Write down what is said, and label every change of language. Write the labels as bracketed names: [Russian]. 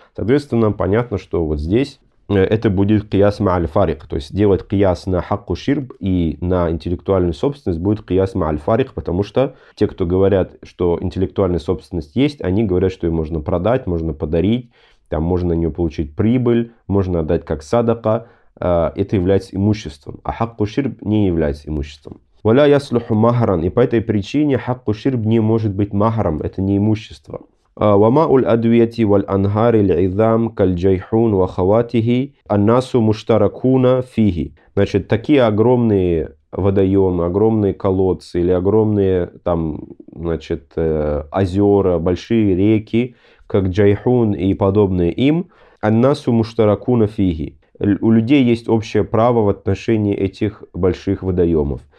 [Russian] Соответственно, понятно, что вот здесь это будет кияс ма'аль-фарик, то есть делать кияс на хакку ширб и на интеллектуальную собственность будет кияс ма'аль-фарик, потому что те, кто говорят, что интеллектуальная собственность есть, они говорят, что ее можно продать, можно подарить, там можно на нее получить прибыль, можно отдать как садака, это является имуществом, а хакку ширб не является имуществом. [Arabic] Валя яслуху махран, [Russian] и по этой причине хакку ширб не может быть махаром, это не имущество. [Arabic] وماء الأدوية والأنهار العظام كالجيحون وخواته الناس مشتركون فيه. [Russian] Значит, такие огромные водоемы, огромные колодцы или огромные там, значит, озера, большие реки, как Джайхун и подобные им, [Arabic] الناس مشتركون فيه. [Russian] у людей есть общее право в отношении этих больших водоемов.